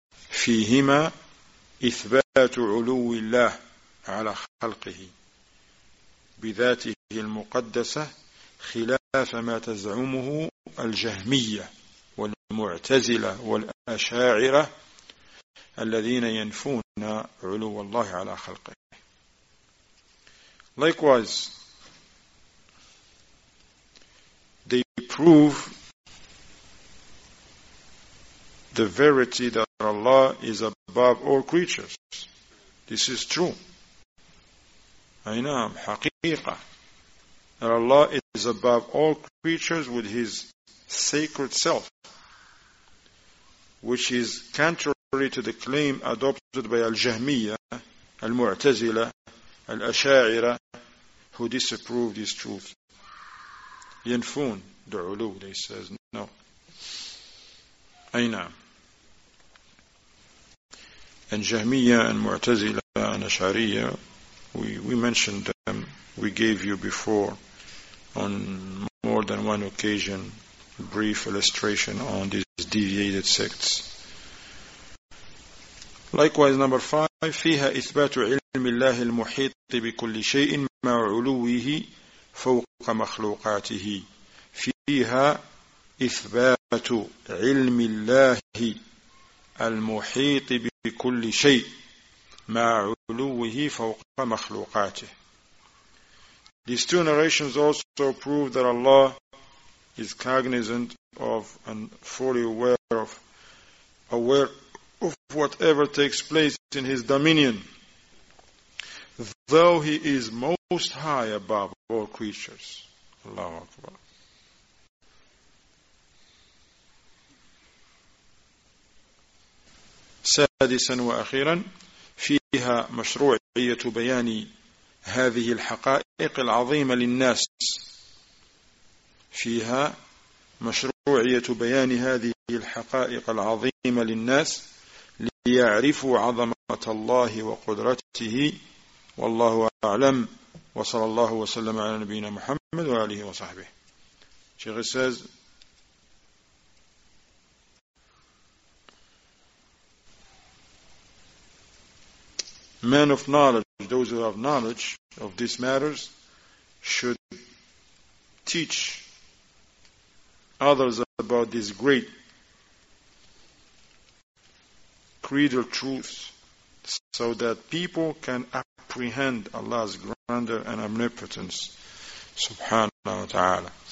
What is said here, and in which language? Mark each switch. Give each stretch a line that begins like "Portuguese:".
Arabic: فيهما إثبات علو الله على خلقه بذاته المقدسة خلاف ما تزعمه الجهمية والمعتزلة والأشاعرة الذين ينفون علو الله على خلقه.
English: Likewise, they prove the verity that Allah is above all creatures. This is true. Aynam, haqiqa. That Allah is above all creatures with His sacred self, which is contrary to the claim adopted by Al-Jahmiyya, Al-Mu'tazila, Al-Asha'ira, who disapprove this truth. Yanfun, the ulu, they says, no. Aynam. And Jahmiyya and Mu'tazila and Ash'ariyya, we mentioned them, we gave you before on more than one occasion a brief illustration on these deviated sects. Likewise, number five,
Arabic: فيها إثبات علم الله المحيط بكل شيء مع علوه فوق مخلوقاته. فيها إثبات علم الله المحيط بكل شيء مع علوه فوق مخلوقاته.
English: These two narrations also prove that Allah is cognizant of and fully aware of whatever takes place in His dominion, though He is most high above all creatures.
Arabic: Allahu Akbar. سادسا وأخيرا فيها مشروعية بيان هذه الحقائق العظيمة للناس. فيها مشروعية بيان هذه الحقائق العظيمة للناس ليعرفوا عظمة الله وقدرته. والله أعلم وصلى الله وسلم على نبينا محمد وآله وصحبه.
English: شيخ says, men of knowledge, those who have knowledge of these matters, should teach others about this great creedal truth so that people can apprehend Allah's grandeur and omnipotence, subhanahu wa ta'ala.